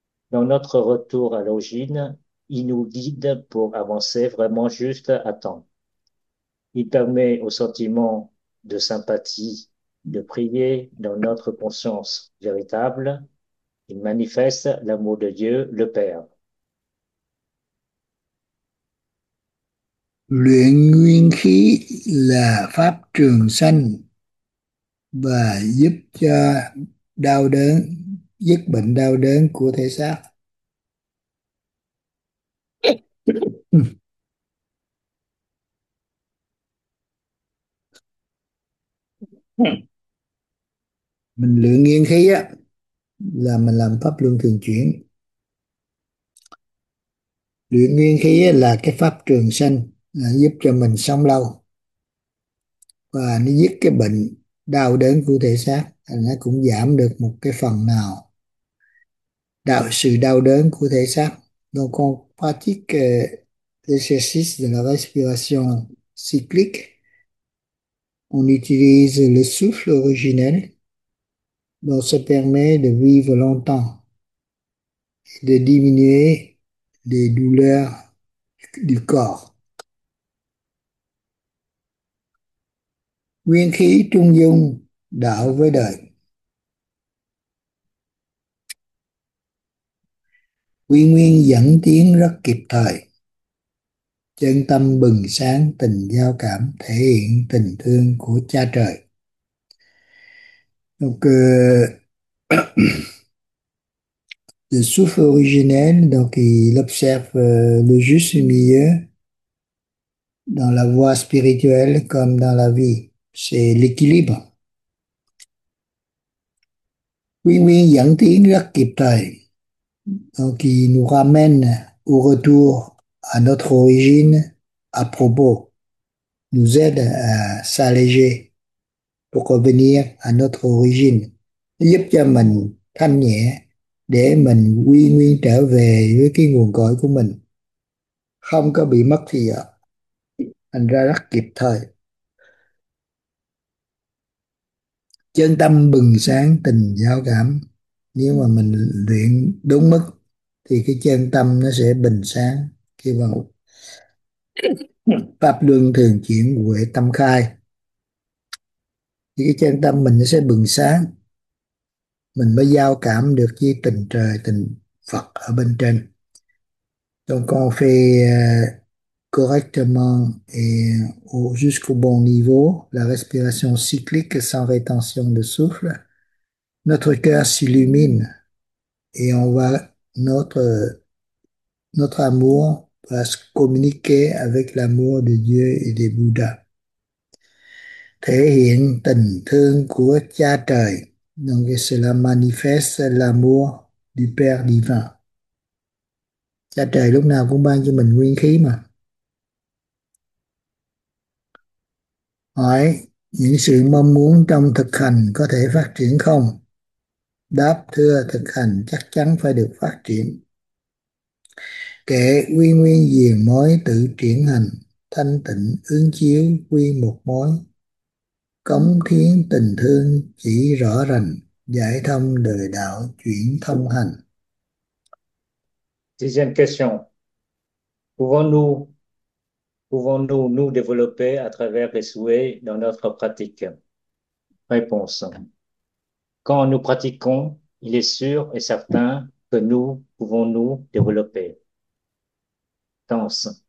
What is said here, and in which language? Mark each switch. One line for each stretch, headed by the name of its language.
French: Dans notre retour à l'origine, il nous guide pour avancer vraiment juste à temps. Il permet au sentiment de sympathie de briller dans notre conscience véritable. Il manifeste l'amour de Dieu, le Père.
Vietnamese: Luyện nguyên khí là pháp trường sanh và giúp cho đau đớn, dứt bệnh đau đớn của thể xác. Mình luyện nguyên khí á là mình làm pháp luân thường chuyển. Luyện nguyên khí là cái pháp trường sanh, là giúp cho mình sống lâu và nó giết cái bệnh đau đớn của thể xác, nó cũng giảm được một cái phần nào đạo sự đau đớn của thể xác.
French: Donc on pratique l'exercice de la respiration cyclique, on utilise le souffle originel, donc ça permet de vivre longtemps et de diminuer les douleurs du corps.
Vietnamese: Nguyên khí trung dung đạo với đời. Quy nguyên dẫn tiến rất kịp thời. Chân tâm bừng sáng tình giao cảm, thể hiện tình thương của cha trời.
English: Okay.
French: le souffle originel, donc il observe le juste milieu dans la voie spirituelle comme dans la vie. C'est l'équilibre. Oui, Yangting Lakitai. Donc il nous ramène au retour à notre origine à propos, nous aide à s'alléger pour revenir à notre origine.
Vietnamese: Giúp cho mình thanh nhẹ để mình quy nguyên trở về với cái nguồn cội của mình, không có bị mất thì thành ra rất kịp thời. Chân tâm bừng sáng tình giao cảm, nếu mà mình luyện đúng mức thì cái chân tâm nó sẽ bình sáng khi vào pháp luân thường chuyển huệ tâm khai, thì cái chân tâm mình nó sẽ bừng sáng, mình mới giao cảm được với tình trời tình Phật ở bên trên.
French: Donc on fait correctement et jusqu'au bon niveau la respiration cyclique sans rétention de souffle. Notre cœur s'illumine et on voit notre amour va se communiquer avec l'amour de Dieu et des Bouddhas.
Vietnamese: Thể hiện tình thương của cha trời.
French: Donc cela manifeste l'amour du Père divin.
Vietnamese: Cha trời lúc nào cũng ban cho mình nguyên khí mà. Hỏi, những sự mong muốn trong thực hành có thể phát triển không? Đáp, thưa, thực hành chắc chắn phải được phát triển. Kệ quy nguyên diền mối tự triển hành, thanh tịnh ứng chiếu quy một mối. Cống thiến tình thương chỉ rõ rành, giải thông đời đạo chuyển thông hành.
French: Dixième question. Pouvons-nous nous développer à travers les souhaits dans notre pratique? Réponse. Quand nous pratiquons, il est sûr et certain que nous pouvons nous développer. Tense.